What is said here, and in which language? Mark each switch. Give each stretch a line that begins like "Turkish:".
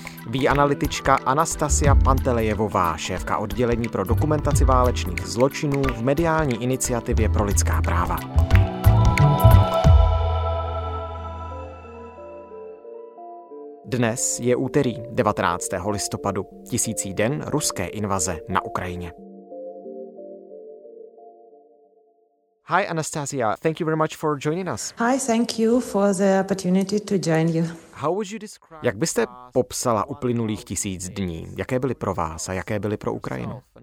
Czech: Ví analytička Anastasia Pantelejevová, šéfka oddělení pro dokumentaci válečných zločinů v mediální iniciativě pro lidská práva. Dnes je úterý, 19. listopadu, 1000. den ruské invaze na Ukrajině.
English: Hi, Anastasia. Thank you very much for joining us. Hi, thank you for the opportunity to join you. How would you describe?
Czech: Jak byste popsala uplynulých 1000 dní? Jaké byly pro vás a jaké byly pro Ukrajinu?